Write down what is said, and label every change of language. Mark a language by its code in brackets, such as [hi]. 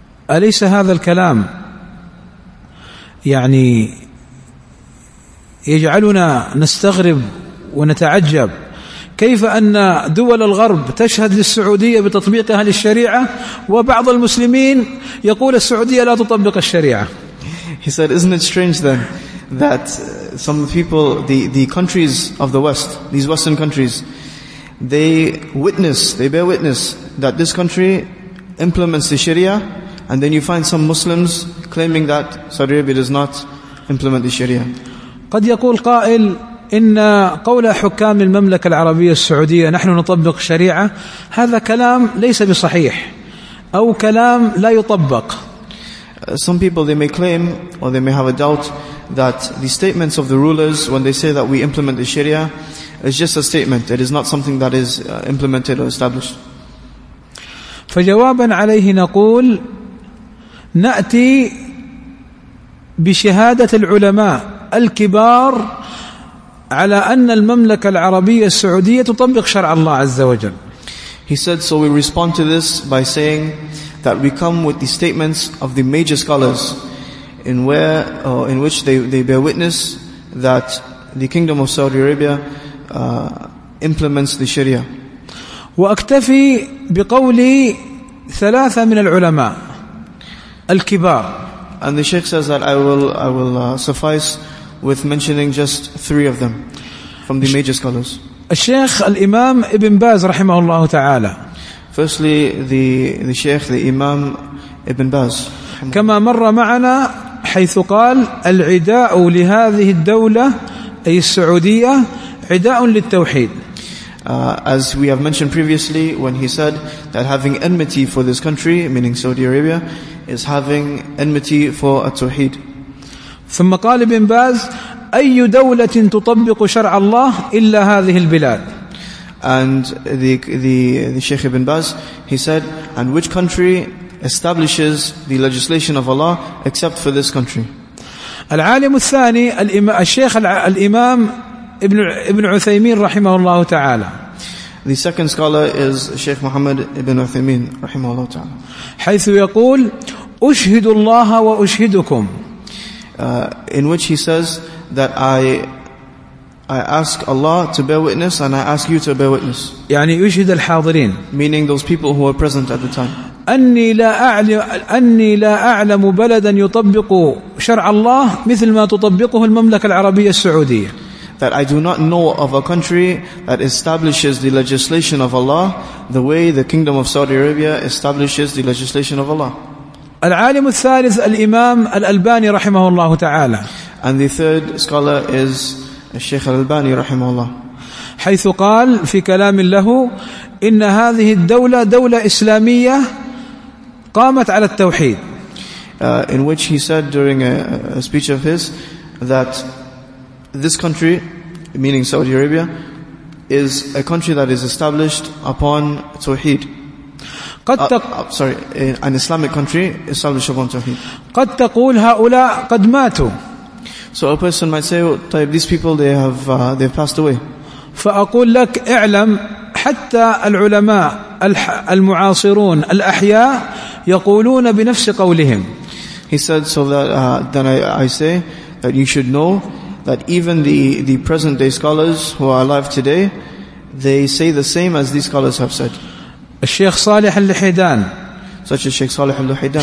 [ar] أليس هذا الكلام يعني يجعلنا نستغرب ونتعجب كيف أن دول الغرب تشهد للسعودية بتطبيقها للشريعة وبعض المسلمين يقول السعودية لا تطبق الشريعة. [en] He said, isn't it strange then that some people, the countries of the West, these Western countries, they bear witness that this country implements the Sharia, and then you find some Muslims claiming that Saudi Arabia does not implement the Sharia. [ar] قد يقول قائل إن قول حكام المملكة العربية السعودية نحن نطبق الشريعة هذا كلام ليس بصحيح أو كلام لا يطبق. [en] Some people, they may claim or they may have a doubt that the statements of the rulers when they say that we implement the Sharia is just a statement. It is not something that is implemented or established. [ar] فجوابا عليه نقول نأتي بشهادة العلماء الكبار على أن المملكة العربية السعودية تطبق شرع الله عز وجل. [en] He said, so we respond to this by saying that we come with the statements of the major scholars in which they bear witness that the Kingdom of Saudi Arabia implements the Sharia. [ar] وأكتفي بقولي ثلاثة من العلماء الكبار. [en] And the Sheikh says that I will suffice with mentioning just three of them from the major scholars. [ar] الشيخ الإمام ابن باز رحمه الله تعالى. [en] Firstly, the Sheikh, the Imam Ibn Baz. [ar] كما مر معنا حيث قال العداء لهذه الدولة أي السعودية عداء للتوحيد. [en] As we have mentioned previously, when he said that having enmity for this country, meaning Saudi Arabia, is having enmity for التوحيد. [ar] ثم قال ابن باز أي دولة تطبق شرع الله إلا هذه البلاد. [en] And the Sheikh Ibn Baz, he said, and which country establishes the legislation of Allah except for this country? [ar] العالم الثاني الشيخ الإمام ابن عثيمين رحمه الله تعالى. [en] The second scholar is Sheikh Muhammad ibn Uthaymeen [ar] رحمه الله تعالى. حيث يقول أشهد الله وأشهدكم. [en] In which he says that I ask Allah to bear witness and I ask you to bear witness. [ar] يعني يشهد الحاضرين. [en] Meaning those people who were present at the time. [ar] أني لا أعلم بلدا يطبق شرع الله مثل ما تطبقه المملكة العربية السعودية. [en] That I do not know of a country that establishes the legislation of Allah the way the Kingdom of Saudi Arabia establishes the legislation of Allah. [ar] العالم الثالث الإمام الألباني رحمه الله تعالى. [en] And the third scholar is الشيخ الألباني [ar] رحمه الله. حيث قال في كلام له إن هذه الدولة دولة إسلامية قامت على التوحيد. [en] In which he said during a speech of his that this country, meaning Saudi Arabia, is a country that is established upon توحيد. An Islamic country established upon توحيد. [ar] قد تقول هؤلاء قد ماتوا. [en] So a person might say, oh, طيب, these people they have passed away. [ar] فأقول لك اعلم حتى العلماء المعاصرون الأحياء يقولون بنفس قولهم. [en] He said so that then I say that you should know that even the present day scholars who are alive today, they say the same as these scholars have said. [ar] الشيخ صالح اللحيدان. [en] Such as Sheikh Salih al-Luhaydan.